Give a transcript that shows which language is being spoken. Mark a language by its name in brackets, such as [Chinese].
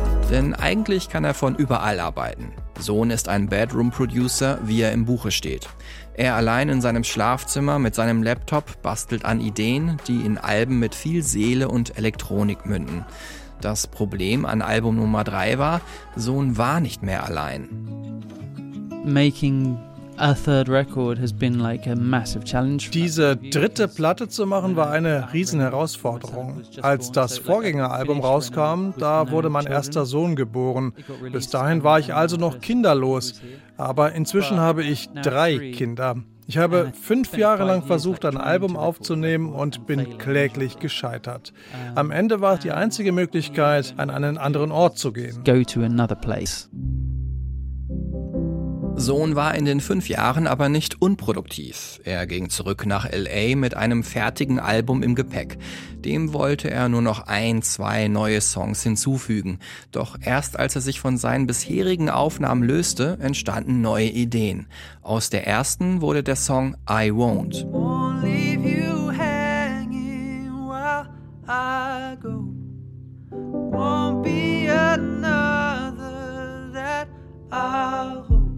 [German] Denn eigentlich kann er von überall arbeiten. Sohn ist ein Bedroom-Producer, wie er im Buche steht. Er allein in seinem Schlafzimmer mit seinem Laptop bastelt an Ideen, die in Alben mit viel Seele und Elektronik münden. Das Problem an Album Nummer 3 war, Sohn war nicht mehr allein. [English] Making a third record has been like a massive challenge. [German] Diese dritte Platte zu machen war eine Riesenherausforderung. Als das Vorgängeralbum rauskam, da wurde mein erster Sohn geboren. Bis dahin war ich also noch kinderlos. Aber inzwischen habe ich 3 Kinder. Ich habe 5 Jahre lang versucht, ein Album aufzunehmen und bin kläglich gescheitert. Am Ende war es die einzige Möglichkeit, an einen anderen Ort zu gehen. [English] Go to another place. [German] Sohn war in den 5 Jahren aber nicht unproduktiv. Er ging zurück nach L.A. mit einem fertigen Album im Gepäck. Dem wollte er nur noch 1, 2 neue Songs hinzufügen. Doch erst als er sich von seinen bisherigen Aufnahmen löste, entstanden neue Ideen. Aus der ersten wurde der Song I Won't. [English] Won't leave you hanging while I go. Won't be another that I'll hold.